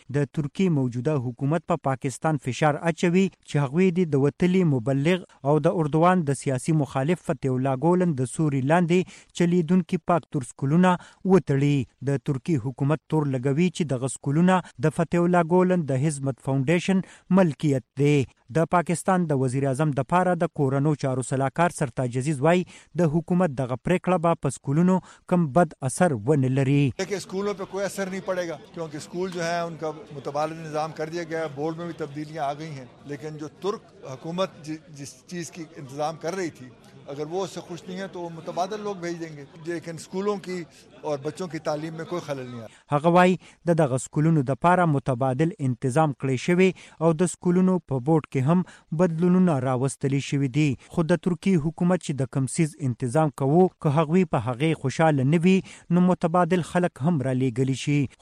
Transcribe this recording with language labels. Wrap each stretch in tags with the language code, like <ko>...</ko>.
<ps>د ترکی موجوده حکومت په پاکستان فشار اچوي چې هغوی دې د وتلي مبلغ او د اردوغان د سیاسي مخالف فتح الله ګولن د سوري لاندې چلیدونکي پاک ترک سکولونه وتړي. د ترکی حکومت تور لګوي چې دغه سکولونه د فتح الله ګولن د حزمت فاونډیشن ملکیت دی. د پاکستان د وزیر اعظم دپاره د کورنو چارو سلاکار سرتاج عزیز وای د حکومت دغه پریکړه به په سکولونو کم بد اثر ونه لري. کې سکولونو په کوم اثر نه پړېګا،</ps> <ur>کیونکه سکول جو ہے ان کا متبادل نظام کر دیا گیا ہے، بورڈ میں بھی تبدیلیاں آ گئی ہیں، لیکن جو ترک حکومت جس چیز کی انتظام کر رہی تھی اگر وہ اس سے خوش نہیں ہے تو وہ متبادل لوگ بھیج دیں گے، لیکن سکولوں کی اور بچوں کی تعلیم میں کوئی خلل نہیں آیا.</ur> <ps>هغه وای د دغه سکولونو د پاره متبادل انتظام کړی شوی او د سکولونو په بورډ کې هم بدلونونه راوستلی شوی دی. خو د ترکی حکومت چې د کمسیز انتظام کوو که هغوی په هغه خوشاله نه وي نو متبادل خلک هم را لېږلی شي.</ps>